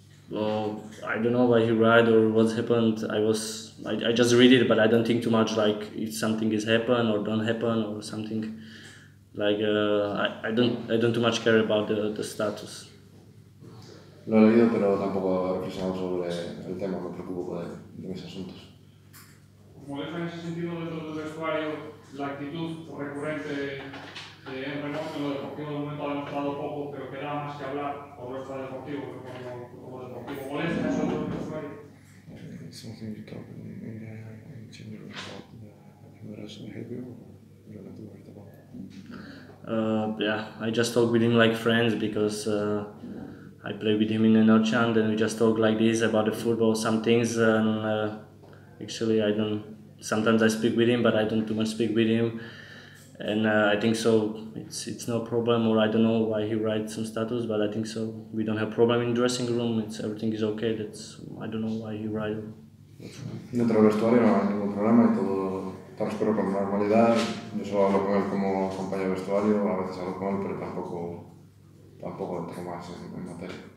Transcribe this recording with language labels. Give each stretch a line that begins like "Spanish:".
English: Well, I don't know why he write or what happened. I just read it, but I don't think too much like if something is happened or don't happen or something. Like I don't too much care about the status.
Spanish: Lo he leído, pero tampoco he reflexionado sobre el tema. Me preocupo de mis asuntos. ¿Cómo deja en ese sentido dentro del vestuario la actitud recurrente de Emre Mor, que lo deportivo de momento ha demostrado poco, pero que da más que hablar por lo extradeportivo, como deportivo? ¿Cuál es el caso de vestuario?
English: Something you talk in general about the humorous behavior, or not to worry about? Yeah, I just talk with him like friends because I play with him in Enochan, and we just talk like this about the football, some things. And actually, I don't. Sometimes I speak with him, but I don't too much speak with him. And I think so. It's no problem. Or I don't know why he writes some status, but I think so. We don't have problem in dressing room. It's everything is okay. That's I don't know why he writes.
Spanish: Dentro del vestuario no hay ningún problema y todo transcurre con normalidad. Yo solo hablo con él como compañero de vestuario. A veces hablo con él, pero tampoco entro más en materia.